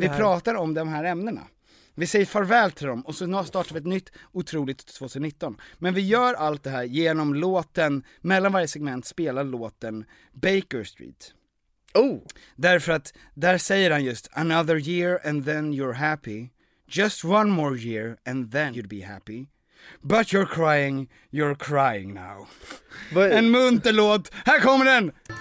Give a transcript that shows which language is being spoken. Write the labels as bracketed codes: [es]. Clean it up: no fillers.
[sv] vi pratar om de här ämnena. Vi säger farväl till dem och så startar vi ett nytt otroligt 2019. Men vi gör allt det här genom låten, mellan varje segment spelar låten Baker Street. Oh. Därför att där säger han [en] just another year and then you're happy. Just one more year and then you'd be happy. But you're crying now. [sv] En munter låt, här kommer den!